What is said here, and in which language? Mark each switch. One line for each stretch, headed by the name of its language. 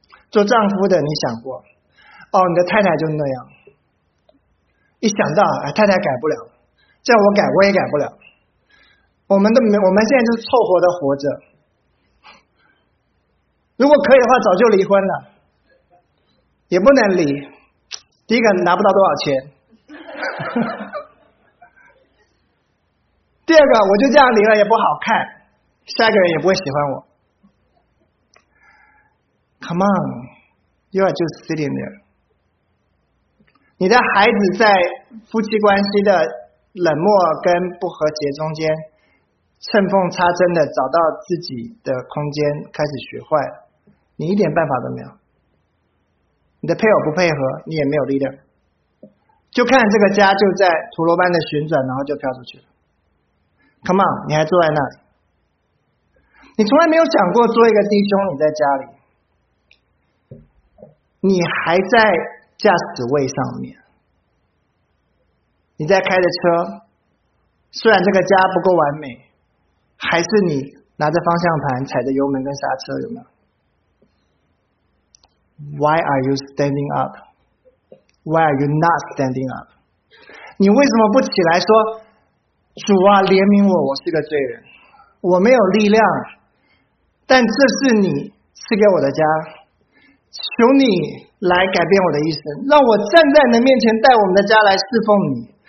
Chinese: 做丈夫的，你想过哦，你的太太就那样，一想到、哎、太太改不了，叫我改我也改不了，我们现在就是凑合的活着，如果可以的话早就离婚了，也不能离，第一个拿不到多少钱，第二个我就这样离了也不好看，下一个人也不会喜欢我。
English: Come on, you are just sitting there。
Chinese: 你的孩子在夫妻关系的冷漠跟不和谐中间，趁缝插针的找到自己的空间，开始学坏，你一点办法都没有。你的配偶不配合，你也没有力量，就看这个家就在陀螺般的旋转，然后就飘出去了。
English: Come on,
Chinese: 你还坐在那里？你从来没有想过做一个弟兄，你在家里，你还在驾驶位上面，你在开着车，虽然这个家不够完美，还是你拿着方向盘踩着油门跟刹车，有没有？
English: Why are you standing up? Why are you not standing up?
Chinese: 你为什么不起来说，主啊，怜悯我，我是个罪人，我没有力量，但这是你赐给我的家，求你来改变我的一生，让我站在你的面前，带我们的家来侍奉你。